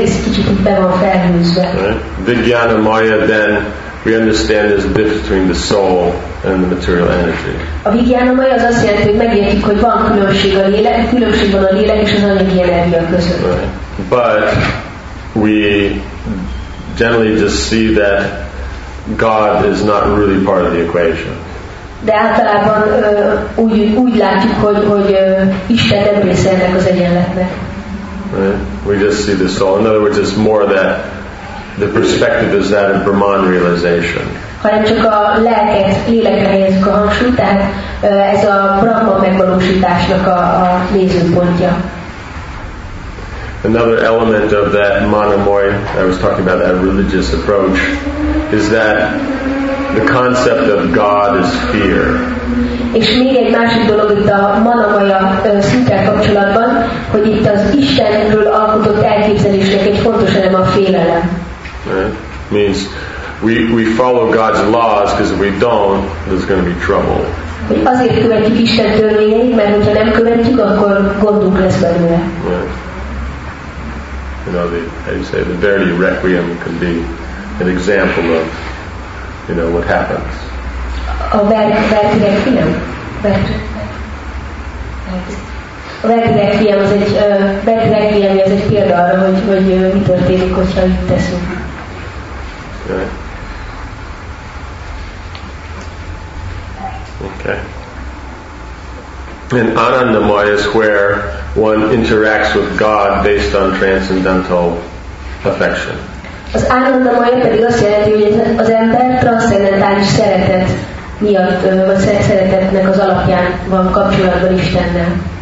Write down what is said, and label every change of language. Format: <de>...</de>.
<en>Vijnana Maya, then we understand there's a difference between the soul and the material energy.</en> <hu>A Vijnana Maya az azt jelenti, hogy megértjük, hogy van különbség a lélek, különbség van a lélek és az anyagi energia között.</hu> <en>Right. But we generally just see that God is not really part of the equation.</en> <hu>De általában úgy látjuk, hogy Isten nem része ennek az egyenletnek.</hu> <en>Right? We just see the soul. In other words, it's more that the perspective is that of Brahman realization.</en> <hu>Hanem csak a lelket, lélekre helyezzük a hangsúlyt, tehát ez a Brahman megvalósításnak a nézőpontja.</hu> <en>Another element of that manamoy, I was talking about that religious approach, is that the concept of God is fear.</en> <hu>És még egy másik dolog itt a manamaya szinten kapcsolatban, hogy itt az Istenről alkotott elképzelésnek egy fontos elem a félelem.</hu> <en>Right. Means we follow God's laws, because if we don't, there's going to be trouble.</en> <hu>Hogy azért követjük Isten törvényeit, mert hogyha nem követjük, akkor gondunk lesz belőle.</hu> <en>Right. You know, the Verdi Requiem can be an example of, you know, what happens.</en> <hu>A Verdi Requiem. Verdi Requiem az egy Verdi Requiem, ez egy példa arra, hogy mi történik, hogyha itt teszünk.</hu> <en>Okay. And Anandamaya is where one interacts with God based on transcendental affection.</en> <hu>Az Anandamaya pedig azt jelenti, hogy az ember transzcendentális szeretetre miatt, vagy szeretetnek az alapján van kapcsolatban Istennel.</hu>